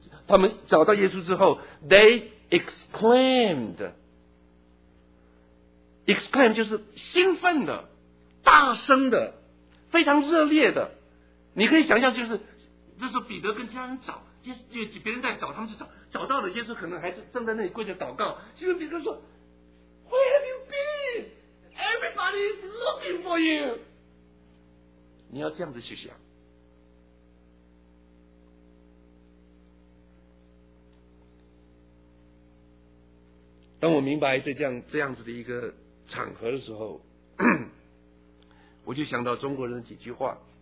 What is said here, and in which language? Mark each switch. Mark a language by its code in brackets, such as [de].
[zh] 他们找到耶稣之后， [en] They exclaimed， exclaim [zh] 就是兴奋的，大声的，非常热烈的。你可以想象，就是这时候彼得跟其他人找，别人在找，他们就找，找到了耶稣，可能还是正在那里跪着祷告。其实彼得说， [en] Where have you been？ Everybody is looking for you。 [zh] 你要这样子去想，当我明白这样子的一个场合的时候，我就想到中国人的几句话。